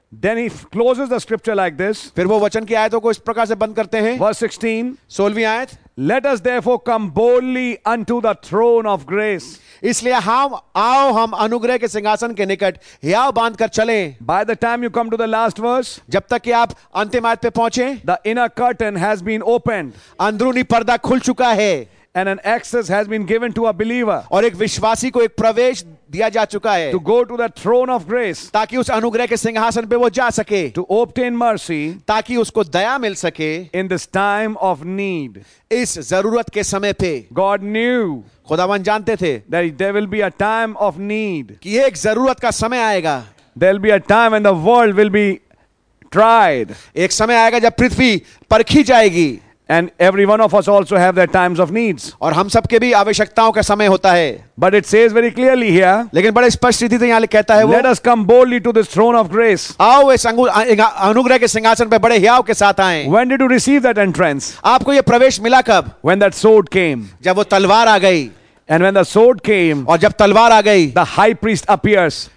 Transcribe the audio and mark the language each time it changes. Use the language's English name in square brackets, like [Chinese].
[English] Then he closes the scripture like this. [Hindi] फिर वो वचन की आयतों को इस प्रकार से बंद करते हैं. [English] Verse 16. [Hindi] 16वीं आयत. [English] Let us therefore come boldly unto the throne of grace. [Hindi] इसलिए हम आओ हम अनुग्रह के सिंहासन के निकट हियाव बांधकर चलें. [English] By the time you come to the last verse, [Hindi] जब तक कि आप अंतिम आयत पे पहुंचे, [English] the inner curtain has been opened. [Hindi] अंदरूनी पर्दा खुल चुका है. [English] And an access has been given to a believer. [Hindi] और एक विश्वासी को एक प्रवेश दिया जा चुका है. [English] To go to the throne of grace. [Hindi] ताकि उस अनुग्रह के सिंहासन पे वो जा सके. [English] To obtain mercy. [Hindi] ताकि उसको दया मिल सके. [English] In this time of need. [Hindi] इस जरूरत के समय पे. [English] God knew. [Hindi] खुदावन जानते थे. [English] That there will be a time of need. [Hindi] कि एक जरूरत का समय आएगा. [English] There will be a time when the world will be tried. [Hindi] एक समय आएगा जब पृथ्वी परखी जाएगी. [English] And every one of us also have their times of needs. [Hindi] और हम सबके भी आवश्यकताओं का समय होता है. [English] But it says very clearly here. [Hindi] लेकिन बड़े स्पष्ट रीति से यहाँ कहता है वो. [English] Let us come boldly to this throne of grace. [Hindi] आओ इस अनुग्रह के सिंहासन पे बड़े हियाव के साथ आएं. [English] When did you receive that entrance? [Hindi] आपको ये प्रवेश मिला कब? [English] When that sword came. [Hindi] जब वो तलवार आ गई. [English] And when the sword came, [Hindi] और जब तलवार आ गई, [English] the high priest appears,